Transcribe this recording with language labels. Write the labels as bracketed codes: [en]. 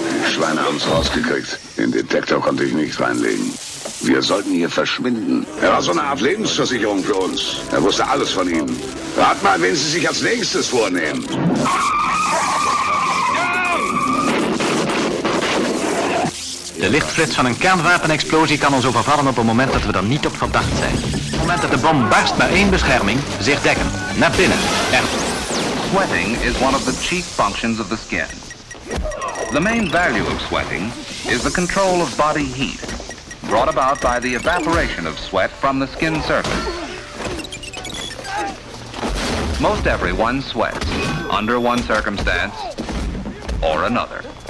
[de] Schweine haben es rausgekriegt. Den Detektor konnte ich nicht reinlegen. Wir sollten hier verschwinden. Er war so eine Art Lebensversicherung für uns. Er wusste alles von ihnen. Rat mal, wen sie sich als nächstes vornehmen. [nl] De lichtflits van een kernwapenexplosie kan ons overvallen op een moment dat we er niet op verdacht zijn. Op het moment dat de bom barst bij één bescherming, zich dekken. Naar binnen. En... [en] Sweating is one of the chief functions of the skin. The main value of sweating is the control of body heat, brought about by the evaporation of sweat from the skin surface. Most everyone sweats under one circumstance or another.